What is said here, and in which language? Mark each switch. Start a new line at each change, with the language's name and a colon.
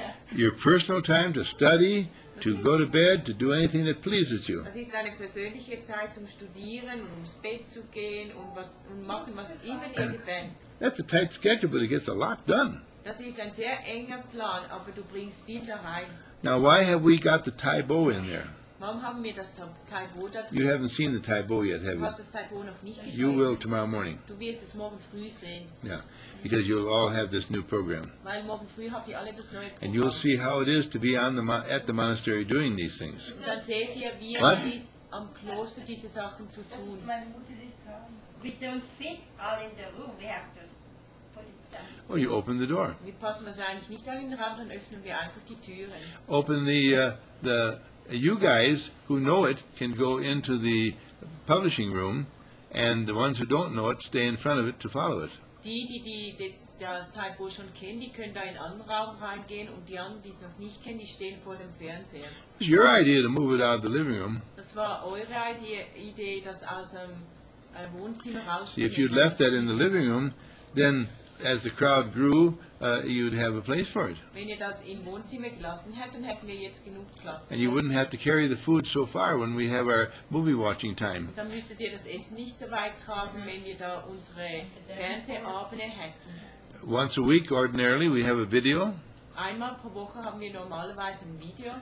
English: Your personal time to study, to go to bed, to do anything that pleases you.
German: Das ist deine persönliche Zeit zum Studieren, ums Bett zu gehen und was und machen, was immer dir gefällt.
English: That's a tight schedule, but it gets a lot done.
German: Das ist ein sehr enger Plan, aber du bringst viel da rein.
English: Now, why have we got the Tai Bo in there?
German: Warum haben wir das Tai Bo da drin?
English: You haven't seen the Tai Bo yet, have you?
German: Du hast das Tai Bo noch nicht gesehen.
English: You will tomorrow morning.
German: Du wirst es morgen früh sehen.
English: Yeah, because you'll all have this new program.
German: Weil morgen früh habt ihr alle das neue Programm.
English: And you'll see how it is to be on the at the monastery doing these things.
German: Und dann seht ihr, wie es ist, am Kloster diese Sachen zu tun. Das ist meine Mutter nicht sagen.
English: We don't fit all in the room. We have to put it somewhere. Well, you open the door.
German: Wir passen uns eigentlich nicht an den Raum, dann öffnen wir einfach die Türen.
English: Open the you guys who know it can go into the publishing room, and the ones who don't know it stay in front of it to follow it.
German: Die das Tai Bo schon kennen, die können da in einen Raum reingehen, und die anderen, die es noch nicht kennen, die stehen vor dem Fernseher.
English: It's your idea to move it out of the living room.
German: Das war eure Idee, das aus dem Wohnzimmer rauszunehmen.
English: See, if you'd left that in the living room, then as the crowd grew, you'd have a place for it.
German: Wenn ihr das im Wohnzimmer gelassen hätten, hätten wir jetzt genug Platz.
English: And you wouldn't have to carry the food so far when we have our movie watching time.
German: Dann müsstet ihr das Essen nicht so weit tragen, wenn wir da unsere Fernsehabende hätten.
English: Once a week, ordinarily, we have a video.
German: Einmal pro Woche haben wir normalerweise ein Video.